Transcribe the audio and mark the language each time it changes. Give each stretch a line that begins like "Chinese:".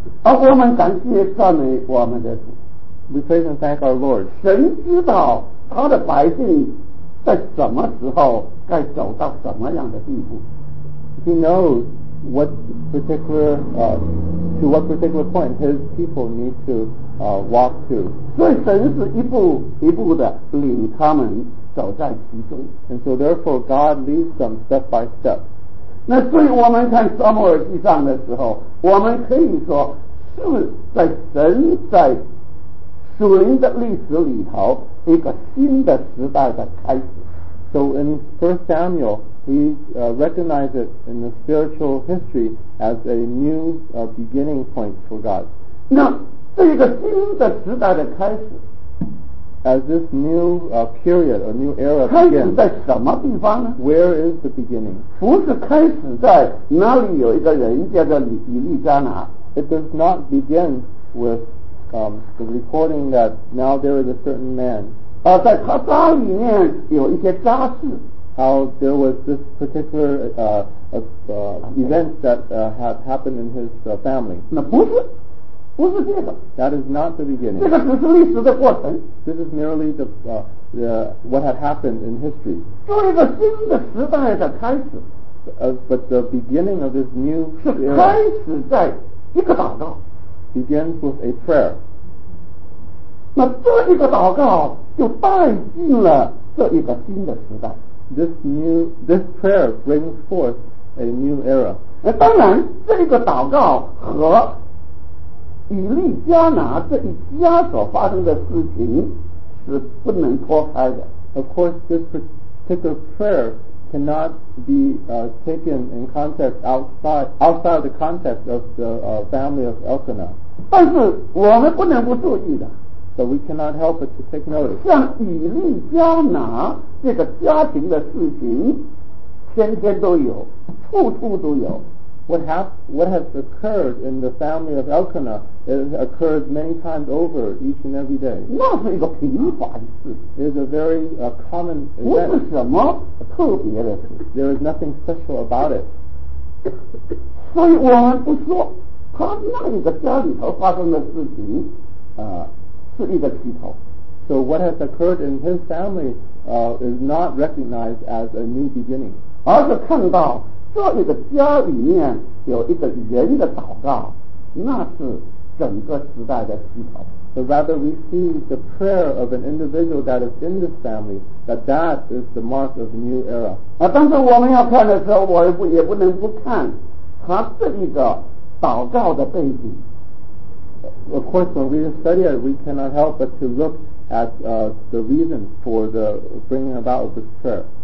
Chinese: 而我们感谢赞美我们的主。
English: We praise and thank our Lord.
Chinese: 神知道他的百姓在什么时候该走到什么样的地步。
English: He knows what particular, to what particular point his people need to walk to.
Chinese: 所以神是一步一步的领他们走在其中。
English: And so therefore God leads them step by step.
Chinese: 那所以我们看撒母耳记上的时候，我们可以说是在神在属灵的历史里头一个新的时代的开始。
English: So in 1 Samuel, we recognize it in the spiritual history as a new beginning point for God.
Chinese: 那这个新的时代的开始
English: as this new period, a new era begins,
Chinese: 开始在什么地方呢？
English: Where is the beginning?
Chinese: 不是开始在哪里有一个人叫做以利加拿。
English: It does not begin with the recording that now there is a certain man.
Chinese: 在他家里面有一些家事。
English: How there was this particular event that had happened in his family.
Chinese: 那不是这个。
English: That is not the beginning.
Chinese: 这个只是历史的过程。
English: This is merely the what had happened in history.
Chinese: 作为一个新的时代的开始。
English: But the beginning of this new era
Chinese: 是开始在一个祷告。
English: Begins with a prayer.
Chinese: 那这一个祷告就带进了这一个新的时代。
English: This prayer brings forth a new era.
Chinese: 当然这个祷告和以利加拿这一家所发生的事情是不能脱开的。
English: Of course, this particular prayer cannot be taken in context outside the context of the family of Elkanah.
Chinese: 但是我们不能不注意的。
English: So we cannot help but to take notice.
Chinese: 像以利加拿这个家庭的事情天天都有，处处都有。
English: What has occurred in the family of Elkanah, it occurs many times over each and every day.
Chinese: 那是一个平凡事。
English: It is a very common event.
Chinese: 不是什么特别的事。
English: There is nothing special about it.
Chinese: 所以我们不说他那个家里头发生的事情是一个起头。
English: So what has occurred in his family is not recognized as a new beginning.
Chinese: 而是看到这一个家里面有一个人的祷告，那是整个时代的起头。
English: But rather we see the prayer of an individual that is in this family, that is the mark of the new era.
Chinese: 但是我们要看的时候，我也不能不看他这一个祷告的背景。
English: Of course, when we study it, we cannot help but to look at the reason for the bringing about of this prayer.